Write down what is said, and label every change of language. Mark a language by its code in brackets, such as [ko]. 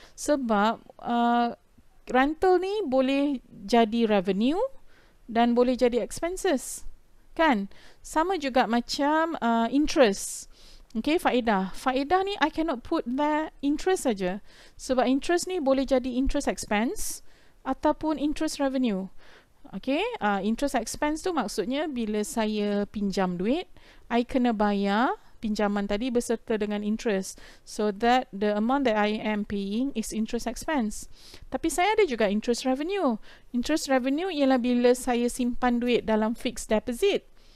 [ms] Sebab rental ni boleh jadi revenue dan boleh jadi expenses. Kan? Sama juga macam interest. Okay, faedah. Faedah ni, [en] I cannot put that interest saja. [ms] Sebab interest ni boleh jadi interest expense ataupun interest revenue. Okay, interest expense tu maksudnya bila saya pinjam duit, I kena bayar pinjaman tadi berserta dengan interest. [en] So that the amount that I am paying is interest expense. [ms] Tapi saya ada juga interest revenue. Interest revenue ialah bila saya simpan duit dalam fixed deposit.